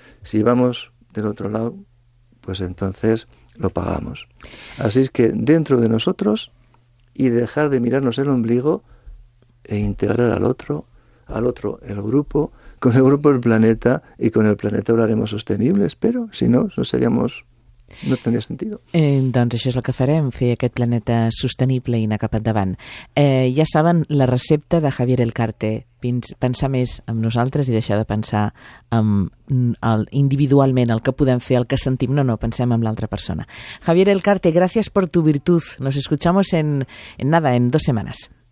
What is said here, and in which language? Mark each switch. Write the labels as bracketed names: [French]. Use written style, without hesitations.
[Spanish] Si vamos del otro lado, pues entonces lo pagamos. Así es que dentro de nosotros y dejar de mirarnos el ombligo e integrar al otro el grupo, con el grupo el planeta y con el planeta hablaremos sostenibles, pero si no, no seríamos... [Catalan] No tenia sentit. Doncs això és el que farem, fer aquest planeta sostenible i anar cap endavant. Ja saben la recepta de Javier Elcarte, pensar més en nosaltres i deixar de pensar en individualment el que podem fer, el que sentim. No, pensem en l'altra persona. Javier Elcarte, gràcies per tu virtut. [Spanish] Nos escuchamos en [Catalan] dos setmanes.